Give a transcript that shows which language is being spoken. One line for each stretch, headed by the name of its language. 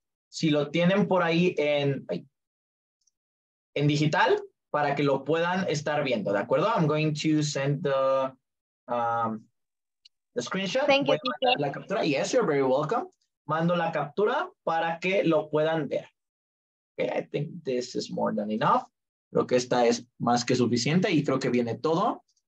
Spanish: si lo tienen por ahí en digital... para que lo puedan estar viendo, ¿de acuerdo?
English: I'm going to send the screenshot. Thank you.
Spanish: La captura.
English: Yes, you're very welcome.
Spanish: Mando la captura para que lo puedan ver.
English: Okay, I think this is more than enough.
Spanish: Creo que esta es más que suficiente y creo que viene todo.